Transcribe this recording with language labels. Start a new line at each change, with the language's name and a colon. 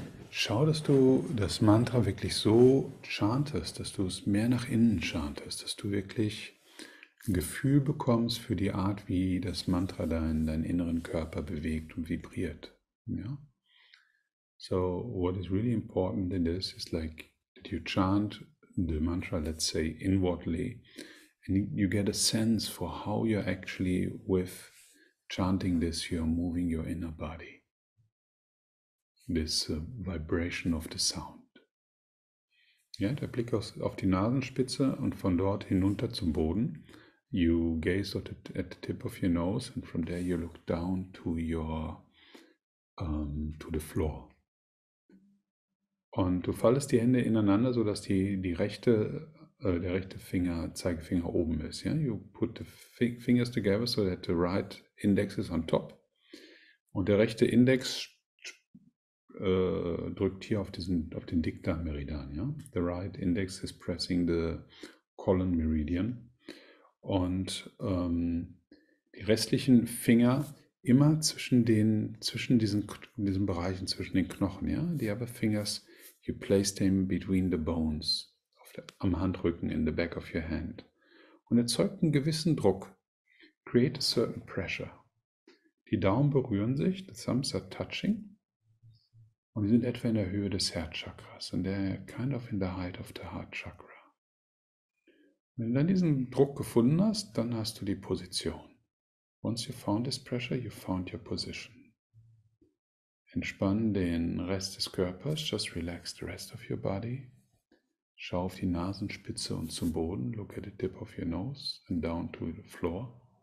German: Schau, dass du das Mantra wirklich so chantest, dass du es mehr nach innen chantest, dass du wirklich ein Gefühl bekommst für die Art, wie das Mantra deinen inneren Körper bewegt und vibriert, ja?
English: So what is really important in this is like that you chant the mantra, let's say inwardly, and you get a sense for how you're actually with chanting this, you're moving your inner body, this vibration of the sound. Yeah,
German: der Blick auf die Nasenspitze und von dort hinunter zum Boden.
English: You gaze at the tip of your nose and from there you look down to your to the floor.
German: Und du faltest die Hände ineinander, sodass die rechte also der rechte Finger, Zeigefinger oben ist.
English: Yeah? You put the fingers together so that the right index is on top.
German: Und der rechte Index drückt hier auf diesen, auf den Dickdarm-Meridian.
English: Yeah? The right index is pressing the colon meridian.
German: Und die restlichen Finger immer zwischen den, zwischen diesen, diesen Bereichen, zwischen den Knochen. Yeah?
English: The other fingers, you place them between the bones.
German: Am Handrücken,
English: in the back of your hand.
German: Und erzeugt einen gewissen Druck.
English: Create a certain pressure.
German: Die Daumen berühren sich,
English: the thumbs are touching.
German: Und die sind etwa in der Höhe des Herzchakras.
English: And they're kind of in the height of the heart chakra.
German: Wenn du dann diesen Druck gefunden hast, dann hast du die Position.
English: Once you found this pressure, you found your position.
German: Entspann den Rest des Körpers.
English: Just relax the rest of your body.
German: Schau auf die Nasenspitze und zum Boden.
English: Look at the tip of your nose and down to the floor.